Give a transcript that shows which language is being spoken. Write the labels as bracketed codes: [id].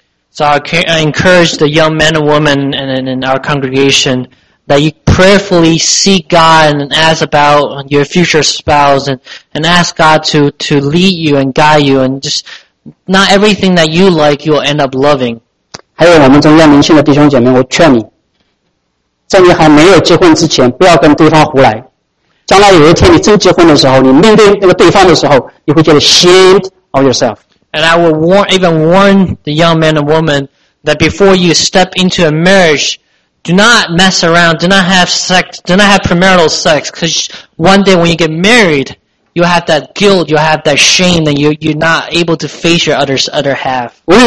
[en] So I encourage the young men and women in our congregation that you prayerfully seek God and ask about your future spouse and ask God to lead you and guide you, and just not everything that you like you'll end up loving. [zh] 还有我们中间年轻的弟兄姐妹, 我劝你, 在你还没有结婚之前, 不要跟对方胡来。将来有一天你真结婚的时候，你面对那个对方的时候， [en] you will get ashamed of yourself. And I will warn the young man and woman that before you step into a marriage, do not mess around, do not have sex, do not have premarital sex, because one day when you get married, you'll have that guilt, you'll have that shame, and you're not able to face your other half.